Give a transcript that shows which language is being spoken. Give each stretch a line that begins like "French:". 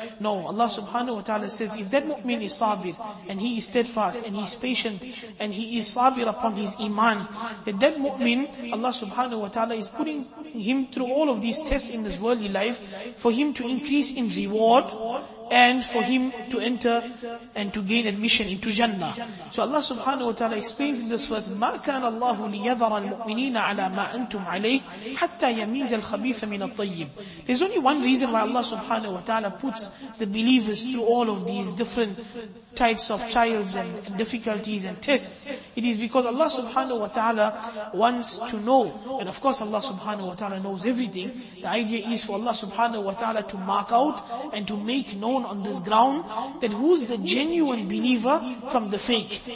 English: No, Allah subhanahu wa ta'ala says if that mu'min is sabir and he is steadfast and he is patient and he is sabir upon his iman, that mu'min, Allah subhanahu wa ta'ala is putting him through all of these tests in this worldly life for him to increase in reward and for him to enter and to gain admission into Jannah. So Allah subhanahu wa ta'ala explains in this verse,
Arabic: مَا كَانَ اللَّهُ لِيَذَرَ الْمُؤْمِنِينَ عَلَى مَا أَنْتُمْ عَلَيْهِ حَتَّى يَمِيزَ الْخَبِيثَ مِنَ الطَّيِّبِ.
English: There's only one reason why Allah subhanahu wa ta'ala puts the believers through all of these different types of trials and difficulties and tests. It is because Allah subhanahu wa ta'ala wants to know, and of course Allah subhanahu wa ta'ala knows everything. The idea is for Allah subhanahu wa ta'ala to mark out and to make known on this ground that who is the genuine believer from the fake.